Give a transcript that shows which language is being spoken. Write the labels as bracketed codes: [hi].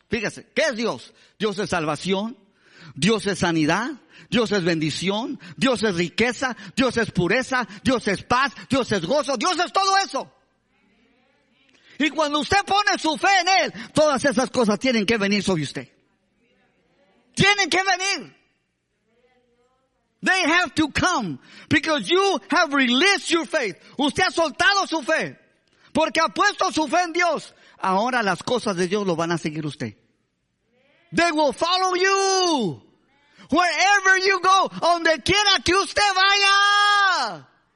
[es] Fíjese, ¿qué es Dios? Dios es salvación, Dios es sanidad, Dios es bendición, Dios es riqueza, Dios es pureza, Dios es paz, Dios es gozo, Dios es todo eso. Y cuando usted pone su fe en Él, todas esas cosas tienen que venir sobre usted. Tienen que venir. [en] They have to come because you have released your faith. [es] Usted ha soltado su fe porque ha puesto su fe en Dios. Ahora las cosas de Dios lo van a seguir usted. [en] They will follow you wherever you go, [es] donde quiera que usted vaya.